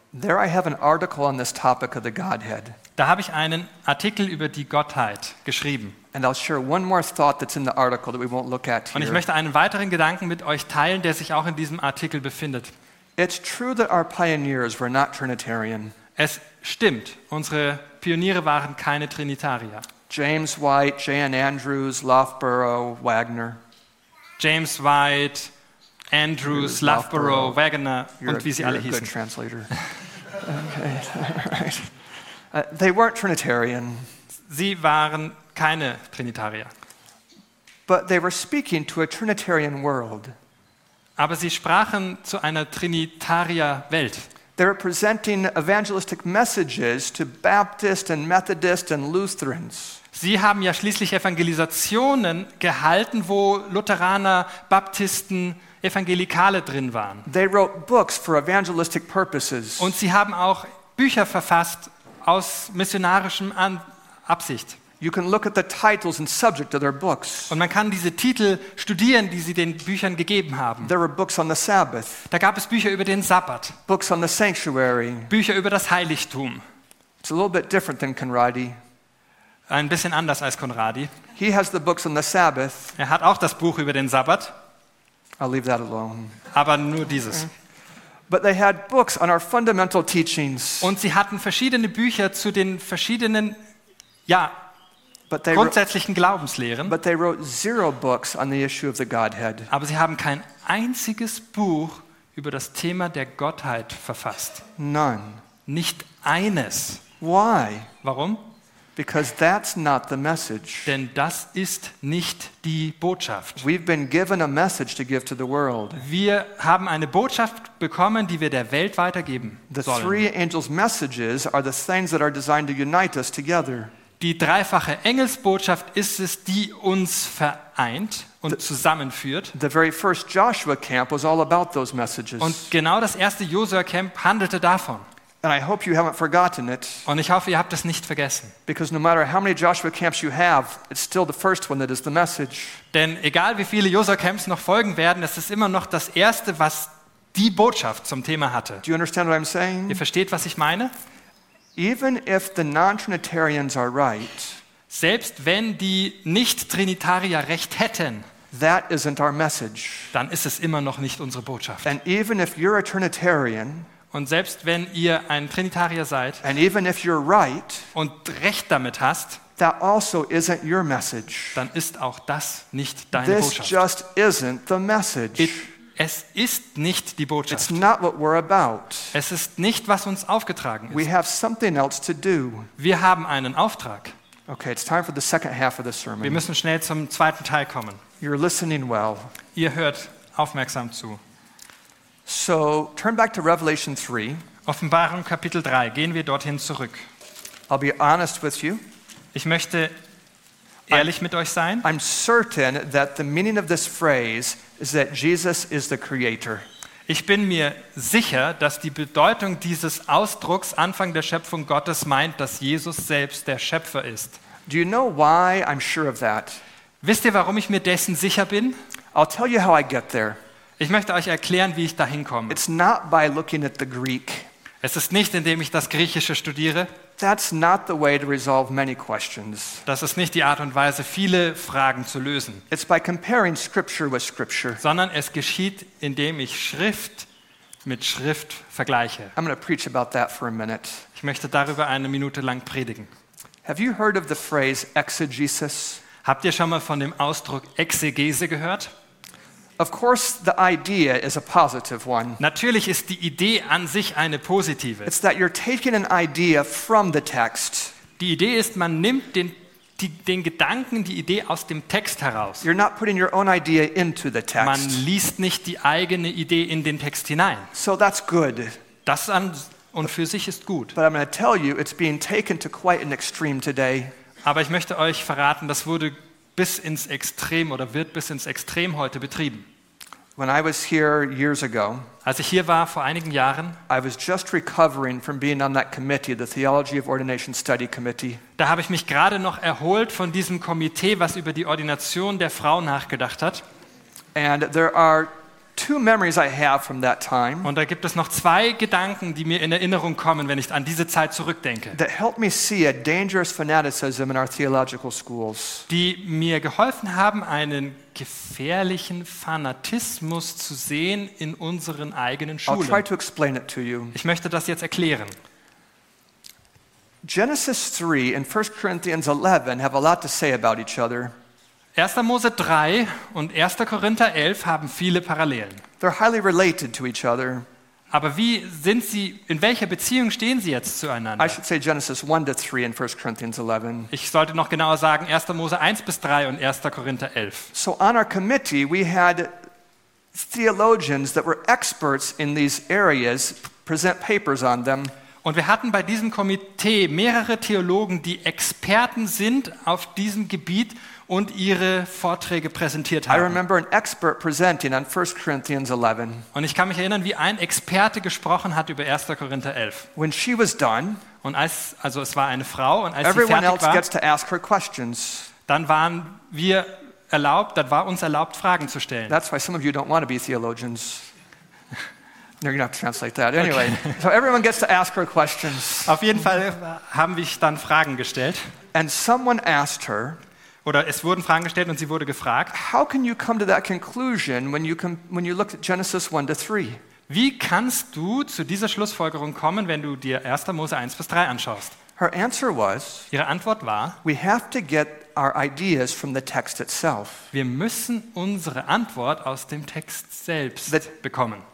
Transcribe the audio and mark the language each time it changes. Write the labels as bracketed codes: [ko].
[en] there I have an article on this topic of the Godhead. [de] Da habe ich einen Artikel über die Gottheit geschrieben. [en] And I'll share one more thought that's in the article that we won't look at here. [de] Und ich möchte einen weiteren Gedanken mit euch teilen, der sich auch in diesem Artikel befindet. [en] It's true that our pioneers were not Trinitarian. [de] Es stimmt, unsere Pioniere waren keine Trinitarier. [en] James White, J.N. Andrews, Loughborough, Wagner. [de] James White, Andrews, Loughborough, Wagner, und wie sie alle hießen. [en] You're a good translator. Okay, all right. They weren't Trinitarian. [de] Sie waren keine Trinitarier. [en] But they were speaking to a Trinitarian world. [de] Aber sie sprachen zu einer Trinitarier-Welt. [en] They were presenting evangelistic messages to Baptists and Methodists and Lutherans. [de] Sie haben ja schließlich Evangelisationen gehalten, wo Lutheraner, Baptisten, Evangelikale drin waren. [en] They wrote books for evangelistic purposes. [de] Und sie haben auch Bücher verfasst aus missionarischem Absicht. [en] You can look at the titles and subject of their books. [de] Und man kann diese Titel studieren, die sie den Büchern gegeben haben. [en] There were books on the Sabbath. [de] Da gab es Bücher über den Sabbat. [en] Books on the sanctuary. [de] Bücher über das Heiligtum. [en] It's a little bit different than Conradi. [de] Ein bisschen anders als Conradi. [en] He has the books on the Sabbath. [de] Er hat auch das Buch über den Sabbat. [en] I'll leave that alone. [de] Aber nur dieses. Okay. [en] But they had books on our fundamental teachings. [de] Und sie hatten verschiedene Bücher zu den verschiedenen, ja, grundsätzlichen Glaubenslehren. [en] But they wrote zero books on the issue of the Godhead. [de] Aber sie haben kein einziges Buch über das Thema der Gottheit verfasst. [en] None. [de] Nicht eines. [en] Why? [de] Warum? [en] Because that's not the message. [de] Denn das ist nicht die Botschaft. [en] We've been given a message to give to the world. [de] Wir haben eine Botschaft bekommen, die wir der Welt weitergeben [en] the [de] sollen. [en] The three angels' messages are the things that are designed to unite us together. [de] Die dreifache Engelsbotschaft ist es, die uns vereint und zusammenführt. [en] The very first Joshua camp was all about those messages. [de] Und genau das erste Joshua Camp handelte davon. [en] And I hope you haven't forgotten it. [de] Und ich hoffe, ihr habt es nicht vergessen. [en] Because no matter how many Joshua camps you have, it's still the first one that is the message. [de] Denn egal wie viele Joshua Camps noch folgen werden, es ist immer noch das erste, was die Botschaft zum Thema hatte. [en] Do you understand what I'm saying? [de] Ihr versteht, was ich meine? [en] Even if the non-Trinitarians are right, [de] selbst wenn die Nicht-Trinitarier recht hätten, [en] that isn't our message. [de] Dann ist es immer noch nicht unsere Botschaft. [en] And even if you're a Trinitarian, [de] und selbst wenn ihr ein Trinitarier seid [en] and even if you're right, [de] und recht damit hast, [en] that also isn't your message. [de] Dann ist auch das nicht deine [en] this [de] Botschaft. [en] Just isn't the message. [de] Es ist nicht die Botschaft. [en] It's not what we're about. [de] Es ist nicht, was uns aufgetragen ist. [en] We have something else to do. [de] Wir haben einen Auftrag. [en] Okay, it's time for the second half of the sermon. [de] Wir müssen schnell zum zweiten Teil kommen. [en] You're listening well. [de] Ihr hört aufmerksam zu. [en] So, turn back to Revelation 3. [de] Offenbarung Kapitel 3. Gehen wir dorthin zurück. [en] I'll be honest with you. [de] Ich möchte ehrlich mit euch sein. [en] I'm certain that the meaning of this phrase is that Jesus is the creator. [de] Ich bin mir sicher, dass die Bedeutung dieses Ausdrucks Anfang der Schöpfung Gottes meint, dass Jesus selbst der Schöpfer ist. [en] Do you know why I'm sure of that? [de] Wisst ihr, warum ich mir dessen sicher bin? [en] I'll tell you how I get there. [de] Ich möchte euch erklären, wie ich dahin komme. [en] It's not by looking at the Greek. [de] Es ist nicht, indem ich das Griechische studiere. [en] That's not the way to resolve many questions. [de] Das ist nicht die Art und Weise, viele Fragen zu lösen. [en] It's by comparing scripture with scripture. [de] Sondern es geschieht, indem ich Schrift mit Schrift vergleiche. [en] I'm going to preach about that for a minute. [de] Ich möchte darüber eine Minute lang predigen. [en] Have you heard of the phrase exegesis? [de] Habt ihr schon mal von dem Ausdruck Exegese gehört? [en] Of course the idea is a positive one. [de] Natürlich ist die Idee an sich eine positive. [en] It's that you're taking an idea from the text. [de] Die Idee ist, man nimmt den Gedanken, die Idee aus dem Text heraus. [en] You're not putting your own idea into the text. [de] Man liest nicht die eigene Idee in den Text hinein. [en] So that's good. [de] Das an und für sich ist gut. [en] But I'm going to tell you it's being taken to quite an extreme today. [de] Aber ich möchte euch verraten, das wurde bis ins Extrem oder wird bis ins Extrem heute betrieben. [en] When I was here years ago, [de] als ich hier war vor einigen Jahren, [en] I was just recovering from being on that committee, the Theology of Ordination Study Committee. [de] Da habe ich mich gerade noch erholt von diesem Komitee, was über die Ordination der Frau nachgedacht hat. [en] And there are two memories I have from that time. [de] Und da gibt es noch zwei Gedanken, die mir in Erinnerung kommen, wenn ich an diese Zeit zurückdenke. [en] That helped me see a dangerous fanaticism in our theological schools. [de] Die mir geholfen haben, einen gefährlichen Fanatismus zu sehen in unseren eigenen Schulen. [en] I'll try to explain it to you. [de] Ich möchte das jetzt erklären. [en] Genesis 3 and 1 Corinthians 11 have a lot to say about each other. [de] 1. Mose 3 und 1. Korinther 11 haben viele Parallelen. [en] They're highly related to each other. [de] Aber wie sind sie, in welcher Beziehung stehen sie jetzt zueinander? [en] I should say Genesis 1 to 3 in 1 Corinthians 11. [de] Ich sollte noch genauer sagen, 1. Mose 1 bis 3 und 1. Korinther 11. [en] So on our committee we had theologians that were experts in these areas present papers on them. [de] Und wir hatten bei diesem Komitee mehrere Theologen, die Experten sind auf diesem Gebiet und ihre Vorträge präsentiert haben. [en] I remember an expert presenting on 1 Corinthians 11. [de] Und ich kann mich erinnern, wie ein Experte gesprochen hat über 1. Korinther 11. [en] When she was done, [de] und als, also es war eine Frau, und als [en] everyone [de] sie fertig [en] else [de] war, [en] gets to ask her questions. [de] Dann waren wir erlaubt, dann war uns erlaubt, Fragen zu stellen. [en] That's why some of you don't want to be theologians. No, you don't have to translate that. Anyway, okay. So everyone gets to ask her questions. [de] Auf jeden Fall haben wir dann Fragen gestellt. [en] And someone asked her, [de] oder es wurden Fragen gestellt und sie wurde gefragt, [en] how can you come to that conclusion when you look at Genesis 1 to 3? [de] Wie kannst du zu dieser Schlussfolgerung kommen, wenn du dir 1. Mose 1 bis 3 anschaust? [en] Her answer was, [de] ihre Antwort war, [en] we have to get our ideas from the text itself. [de] Wir müssen unsere Antwort aus dem Text selbst bekommen.